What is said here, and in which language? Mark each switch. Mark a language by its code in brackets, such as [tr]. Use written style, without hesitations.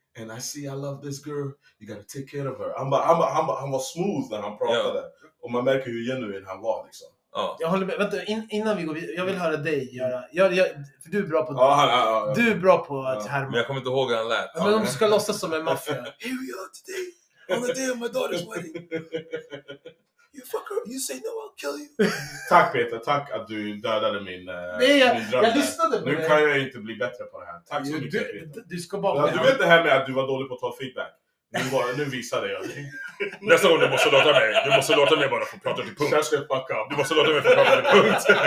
[en] And I see I love this girl. You gotta take care of her. [sv] Han var smooth när han pratade. [en] Yeah. [sv] Och man märker hur genuin han var liksom. Ja. Jag håller med. Vänta, innan vi går, jag vill höra dig göra. För du är bra på det. Du är bra på att härma. Men jag kommer inte ihåg hur han lät. Men de ska låtsas som en maffia. [en] Here we are today. On the day of my daughter's wedding. You fucker, you say no, I'll kill you. [sv] Tack Peter, tack att du dödade min, jag lyssnade på det. Nu kan jag inte bli bättre på det här. Tack så mycket Peter. Du ska bara du vet det här med att du var dålig på att ta feedback. Nu visar det jag. Nästa gång du måste låta mig bara få prata till punkt. Sen ska jag fucka. Du måste låta mig få prata till punkt.